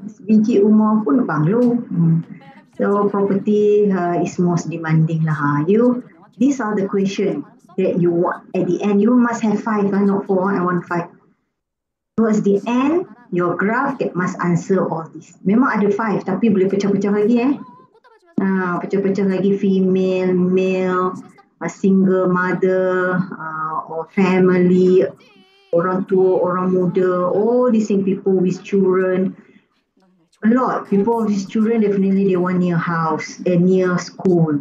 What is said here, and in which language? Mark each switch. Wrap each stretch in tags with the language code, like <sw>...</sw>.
<ms>Biji rumah pun bungalow.</ms> <en>So property is most demanding lah. You, these are the question that you want at the end. You must have 5, right? Not 4, I want 5. Towards the end, your graph that must answer all this.</en> <ms>Memang ada 5 tapi boleh pecah-pecah lagi eh. Pecah-pecah lagi</ms> <en>female, male, a single mother, or family,</en> <ms>orang tua, orang muda,</ms> <en>all the same people with children. A lot. People with children definitely they want near house and near school.</en>